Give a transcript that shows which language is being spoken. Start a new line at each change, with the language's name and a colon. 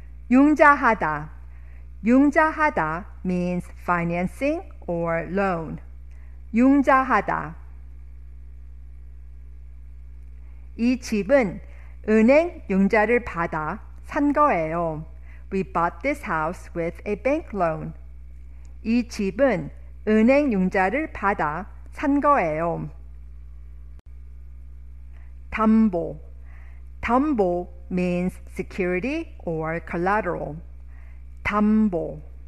English: 융자하다. 융자하다 means financing or loan.
Korean: 융자하다. 이 집은 은행 융자를 받아 산 거예요.
English: We bought this house with a bank loan.
Korean: 이 집은 은행 융자를 받아 산 거예요.
English: 담보. 담보 means security or collateral. 담보.